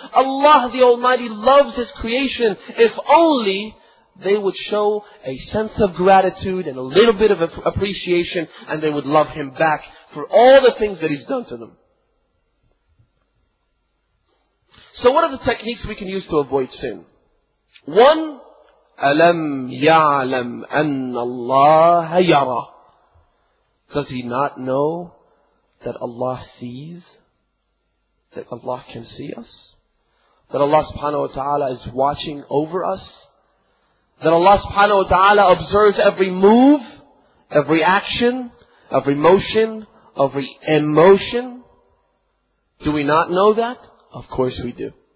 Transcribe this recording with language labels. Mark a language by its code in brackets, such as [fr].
[en] Allah the Almighty loves His creation. If only they would show a sense of gratitude and a little bit of appreciation, and they would love Him back for all the things that He's done to them. So what are the techniques we can use to avoid sin? [ar] One, أَلَمْ يَعْلَمْ أَنَّ اللَّهَ يَرَى. [en] Does he not know that Allah sees? That Allah can see us? That Allah [ar] subhanahu wa ta'ala [en] is watching over us? That Allah [ar] subhanahu wa ta'ala [en] observes every move, every action, every motion, every emotion? Do we not know that? Of course we do.